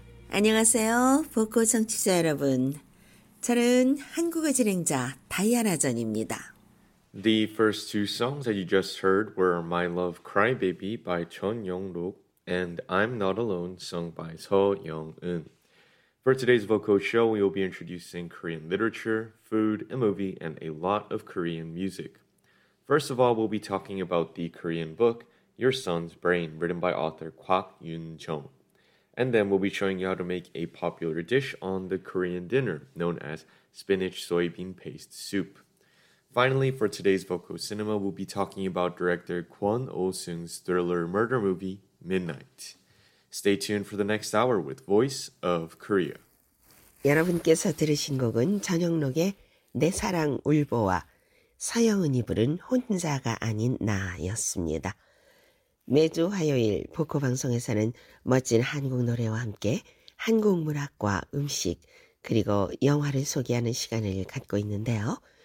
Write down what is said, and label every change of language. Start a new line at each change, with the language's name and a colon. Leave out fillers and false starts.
Korean: 안녕하세요, 보코 청취자 여러분. 저는 한국어 진행자 다이아나 전입니다.
English: The first two songs that you just heard were My Love Crybaby by Chun Yong-ruk and I'm Not Alone sung by Seo Young-eun. For today's Voco show, we will be introducing Korean literature, food, a movie, and a lot of Korean music. First of all, we'll be talking about the Korean book, Your Son's Brain, written by author Kwak Yun-jong. And then we'll be showing you how to make a popular dish on the Korean dinner, known as spinach soybean paste soup. Finally, for today's Voco Cinema, we'll be talking about director Kwon Oh-sung's thriller murder movie, Midnight. Stay tuned for the next hour with Voice of Korea.
Korean: 여러분께서 들으신 곡은 전영록의 내 사랑 울보와 서영은이 부른 혼자가 아닌 나였습니다. 매주 화요일 보코 방송에서는 멋진 한국 노래와 함께 한국 문학과 음식 그리고 영화를 소개하는 시간을 갖고 있는데요.